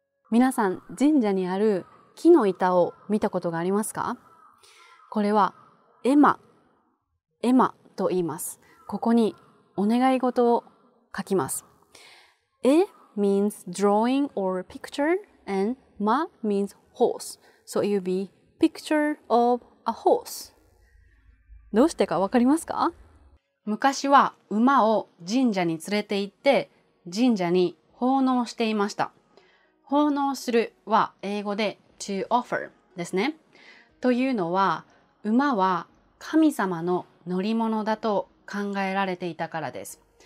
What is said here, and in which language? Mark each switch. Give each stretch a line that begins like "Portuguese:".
Japanese: 皆さん、神社にある木の板を見たことがありますか？これは絵馬と言います。ここにお願い事を書きます。
English: 絵 means drawing or picture, and 馬 means horse, so it would be picture of a horse.
Japanese: どうしてか分かりますか？昔は馬を神社に連れて行って神社に奉納していました。奉納するは英語で
English: to offer
Japanese: ですね。というのは、馬は神様の乗り物だと考えられていたからです。